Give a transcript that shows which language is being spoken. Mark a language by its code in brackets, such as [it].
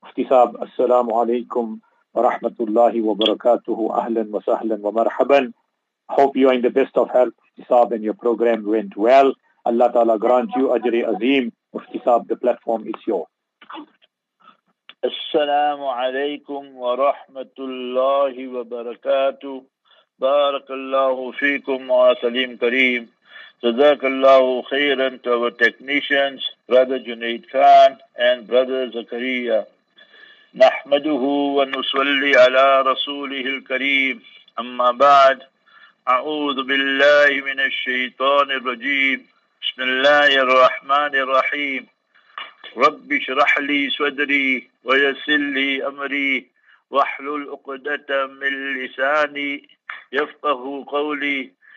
[ar] مفتي صاحب السلام عليكم ورحمة الله وبركاته أهلا وسهلا ومرحبا. [en] Hope you are in the best of health, مفتي صاحب, and your program went well. Allah Ta'ala grant you ajri azim. مفتي صاحب, the platform is yours. [ar] السلام عليكم ورحمة الله وبركاته. بارك الله فيكم وسليم كريم. جزاك الله خيرا [en] to our technicians, brother Junaid Khan and brother Zakaria. [ar] نحمده ونصلي على رسوله الكريم. أما بعد, أعوذ بالله من الشيطان الرجيم. بسم الله الرحمن الرحيم. رب اشرح لي صدري ويسر لي أمري واحلل عقدة من لساني يفقه قولي.